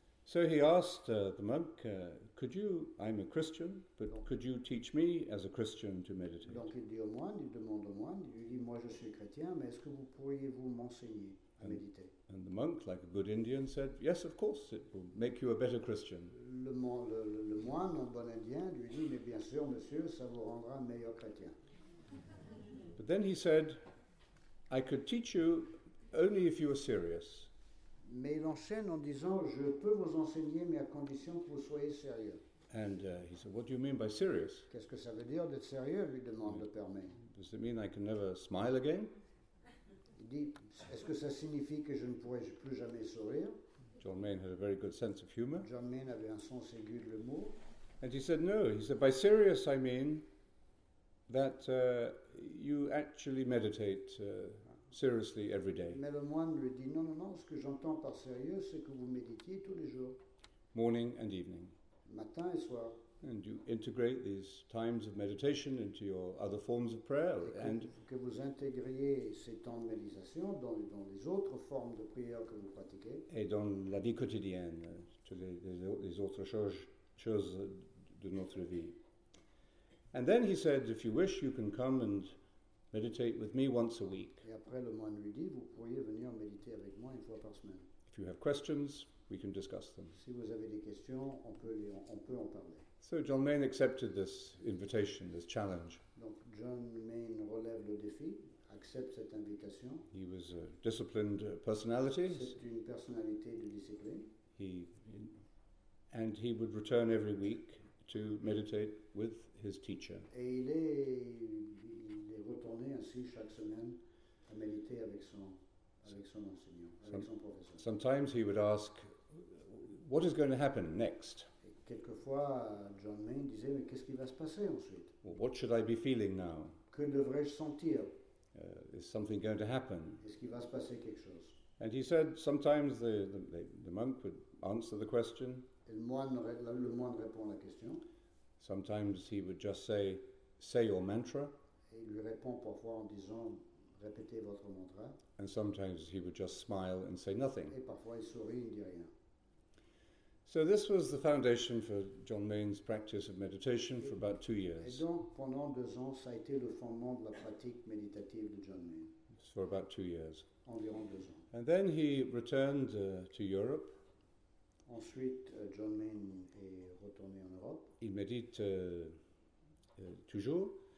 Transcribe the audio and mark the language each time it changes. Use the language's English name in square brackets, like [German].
[English] So he asked the monk, I'm a Christian, but could you teach me as a Christian to meditate? [French] Donc il dit au moine, il demande au moine, il dit, moi je suis chrétien, mais est-ce que vous pourriez-vous m'enseigner à méditer? [English] And the monk, like a good Indian, said, yes, of course, it will make you a better Christian. [French] Le moine, un bon Indien, lui dit, mais bien sûr, monsieur, ça vous rendra un meilleur chrétien. [English] But then he said, I could teach you only if you are serious. [French] Mais il enchaîne en disant, je peux vous enseigner, mais à condition que vous soyez sérieux. [English] And he said, what do you mean by serious? [French] Qu'est-ce que ça veut dire d'être sérieux, lui demande le père Maine. [English] Does it mean I can never smile again? [French] Il dit, est-ce que ça signifie que je ne pourrai plus jamais sourire? [English] John Maine had a very good sense of humor. [French] John Maine avait un sens aigu de l'humour. [English] And he said, no, he said, by serious I mean that you actually meditate seriously every day. [French] Mais le moine lui dit, non, ce que j'entends par sérieux, c'est que vous méditiez tous les jours. [English] Morning and evening. [French] Matin et soir. [English] And you integrate these times of meditation into your other forms of prayer. And [French] que vous intégriez ces temps de méditation dans les autres formes de prière que vous pratiquez. Et dans la vie quotidienne, toutes les autres choses de notre vie. [English] And then he said, if you wish, you can come and meditate with me once a week. [French] Et après le moine lui dit, vous pourriez venir méditer avec moi une fois par semaine. [English] If you have questions, we can discuss them. [French] Si vous avez des questions, on peut en parler. [English] So John Maine accepted this invitation, this challenge. [French] Donc John Maine relève le défi, accepte cette invitation. [English] He was a disciplined personality. [French] C'est une personnalité de discipline. [English] He would return every week to meditate with his teacher. [French] Et il est retourné ainsi chaque semaine à méditer avec son enseignant, avec son professeur. [English] Sometimes he would ask, what is going to happen next? [French] Quelquefois, John Maine disait, mais qu'est-ce qui va se passer ensuite? [English] Well, what should I be feeling now? [French] Que devrais-je sentir? [English] Is something going to happen? [French] Est-ce qu'il va se passer quelque chose? [English] And he said, sometimes the monk would answer the question. [French] Et le moine répond à la question. [English] Sometimes he would just say your mantra. [French] Et il lui répond parfois en disant, répétez votre mantra. [English] And sometimes he would just smile and say nothing. [French] Et parfois il sourit et ne dit rien. [English] So this was the foundation for John Maine's practice of meditation for about 2 years. [French] Et donc, pendant deux ans, ça a été le fondement de la pratique méditative de John Maine. [English] For about 2 years. [French] Environ deux ans. [English] And then he returned to Europe. [French] Ensuite, John Maine est retourné en Europe. Il médite toujours.